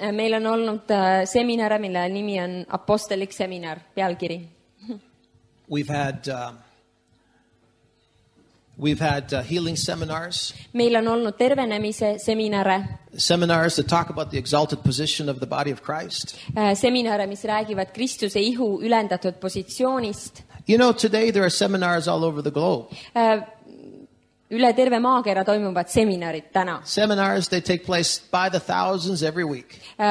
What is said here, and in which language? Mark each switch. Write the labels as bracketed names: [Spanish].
[Estonian] Meil on olnud seminare, mille nimi on apostolik seminar, pealkiri. [English] We've had healing seminars. [Estonian] Meil on olnud tervenemise seminare. [English] Seminars that talk about the exalted position of the body of Christ. [Estonian] Seminare, mis räägivad Kristuse ihu ülendatud positsioonist. [English] You know, today there are seminars all over the globe. [Estonian] Üle terve maakera toimuvad seminarid täna. [English] Seminars, they take place by the thousands every week.